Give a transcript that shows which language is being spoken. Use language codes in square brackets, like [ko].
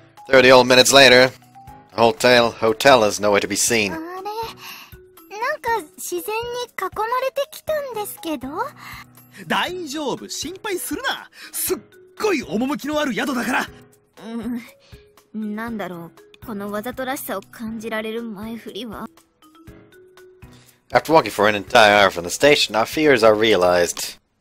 [en] 30 old minutes later, the hotel is nowhere to be seen. [ja] あれ、なんか自然に囲まれてきたんですけど。大丈夫、心配するな。すっごい趣のある宿だから。うん、なんだろう、このわざとらしさを感じられる前振りは。 [en] After walking for an entire hour from the station, our fears are realized.